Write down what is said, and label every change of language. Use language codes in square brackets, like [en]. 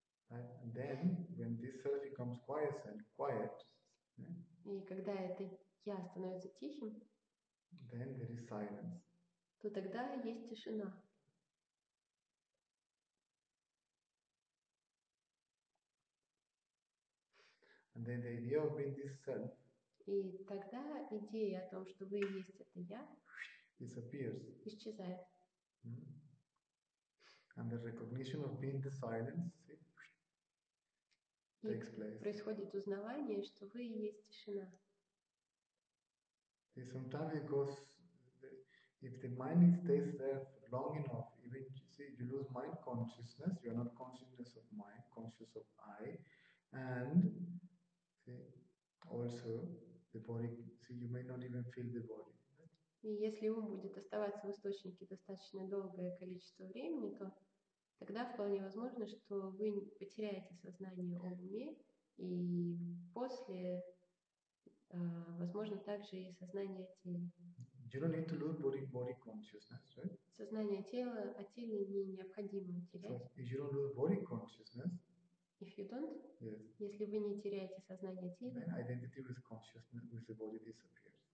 [en] And then, when this self becomes quiescent, quiet, [ru] и когда это я становится тихим, [en] then there is silence. [ru] То тогда есть тишина. [en] And then the idea of being this self, [ru] и тогда идея о том, что вы есть это я, [en] disappears. [ru] Исчезает. Mm-hmm. [en] And the recognition of being the silence, see, takes place. [ru] Происходит узнавание, что вы и есть тишина. [en] See, sometimes it goes, if the mind stays there long enough, even see, you lose mind consciousness, you are not consciousness of mind, conscious of I, and also, the body. See, you may not even feel the body. [ru] И если ум будет оставаться в источнике достаточно долгое количество времени, то тогда вполне возможно, что вы потеряете сознание о уме, и после, возможно, также и сознание тела. [en] You don't need to lose body consciousness, right? [ru] Сознание тела, а теле не необходимо терять. [en] So, if you don't lose body consciousness. If you don't, yes. [ru] Если вы не теряете сознание тела, [en] then identity with consciousness with the body disappears.